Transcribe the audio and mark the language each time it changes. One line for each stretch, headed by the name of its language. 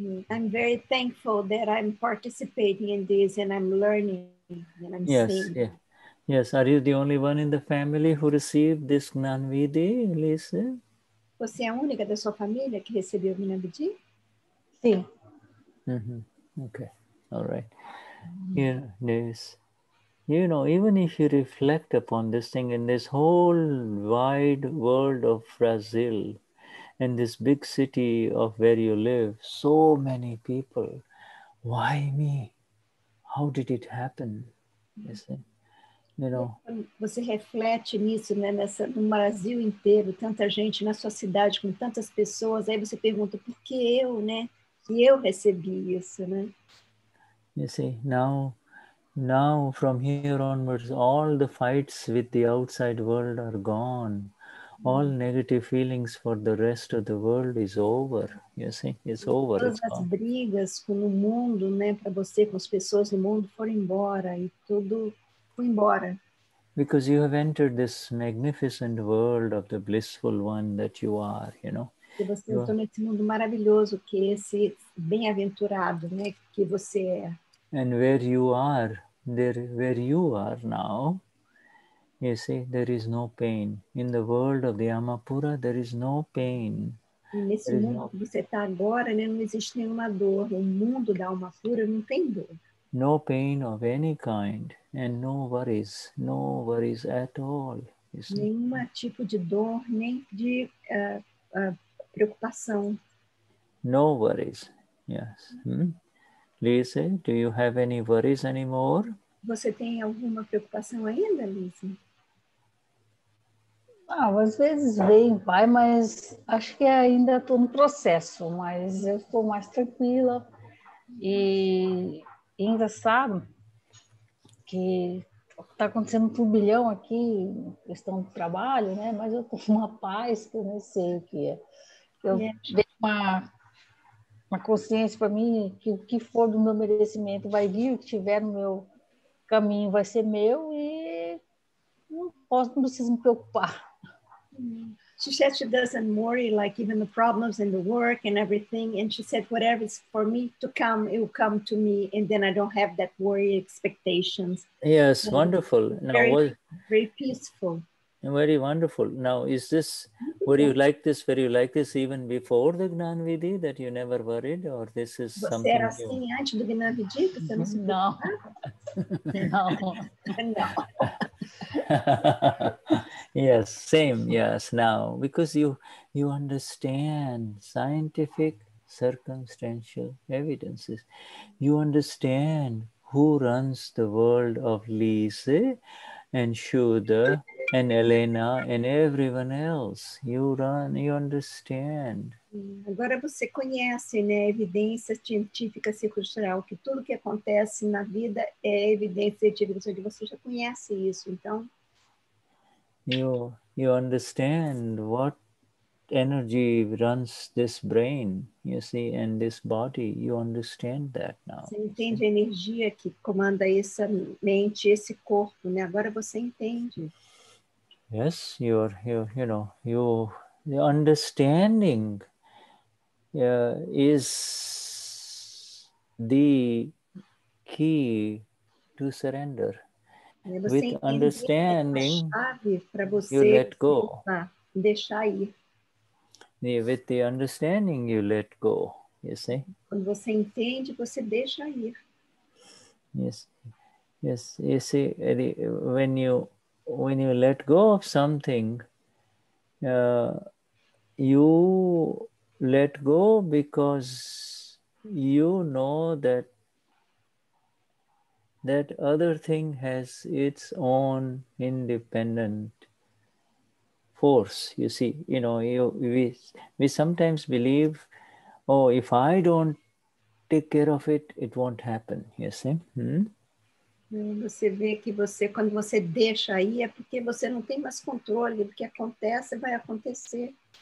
English: I'm very thankful that I'm participating in this and I'm learning and I'm Yes. Are you the only one in the family who received this Gnan Vidhi, Lisa?
Portuguese: Você é a única da sua família que recebeu o Gnan Vidhi? Sim.
English: Mm-hmm. Okay. All right. You know, even if you reflect upon this thing in this whole wide world of Brazil, in this big city of where you live, so many people, why me? How did it happen? You see? You know.
Portuguese: Você reflete nisso, né? Nessa, no Brasil inteiro, tanta gente na sua cidade, com tantas pessoas, aí você pergunta, por que eu, né? Que eu recebi isso, né?
English: You see, now from here onwards, all the fights with the outside world are gone. All negative feelings for the rest of the world is over. You see, it's over.
Portuguese: Todas as brigas com o mundo, né, para você, com as pessoas no mundo, foram embora e tudo foi embora.
English: Because you have entered this magnificent world of the blissful one that you are, you know.
Portuguese: E você entrou nesse mundo maravilhoso que é esse bem-aventurado, né, que você é.
English: And where you are, where you are now, you see, there is no pain. In the world of the Amapura, there is no pain.
Portuguese: Nesse mundo que você está agora, né, não existe nenhuma dor. No mundo da Amapura, não tem dor.
English: No pain of any kind and no worries. No worries at all.
Portuguese: Nenhum tipo de dor, nem de preocupação.
English: No worries, yes. Lisa, do you have any worries anymore?
Portuguese: Você tem alguma preocupação ainda, Lisa? Ah, às vezes vem, vai, mas acho que ainda estou no processo, mas eu estou mais tranquila e ainda sabe que está acontecendo um turbilhão aqui, questão do trabalho, né? Mas eu estou com uma paz que eu nem sei o que é. Eu tenho uma consciência para mim que o que for do meu merecimento vai vir, o que tiver no meu caminho vai ser meu e não preciso me preocupar.
English: She said she doesn't worry, like even the problems and the work and everything. And she said, whatever is for me to come, it will come to me. And then I don't have that worry expectations. Yes, but wonderful. Now, very peaceful. Very wonderful. Now, is this, were you like this? Were you like this even before the Gnan Vidhi that you never worried? Or this is
Portuguese: você
English: something
Portuguese: era assim
English: new?
Portuguese: Antes do Gnan Vidhi? Você não se Não.
English: Yes, same, yes, now. Because you understand scientific, circumstantial evidences. You understand who runs the world of Lise and Shuddha and Helena and everyone else. You understand.
Portuguese: Agora você conhece, né, evidência científica circunstancial, que tudo que acontece na vida é evidência científica. Você já conhece isso, então...
English: You understand what energy runs this brain, you see, and this body. You understand that now.
Portuguese: Você entende a energia que comanda essa mente, esse corpo, né? Agora você entende.
English: Yes, the understanding is the key to surrender.
Portuguese: Você
English: with understanding,
Portuguese: você
English: you let go.
Portuguese: Deixar ir.
English: Yeah, with the understanding, you let go, you see?
Portuguese: Quando você entende, você deixa ir.
English: Yes, you see, when you let go of something, you let go because you know that other thing has its own independent force. You see, you know, we sometimes believe, oh, if I don't take care of it, it won't happen. You see?
Portuguese: Você vê que você, quando você deixa aí, é porque você não tem mais controle do que acontece, vai acontecer.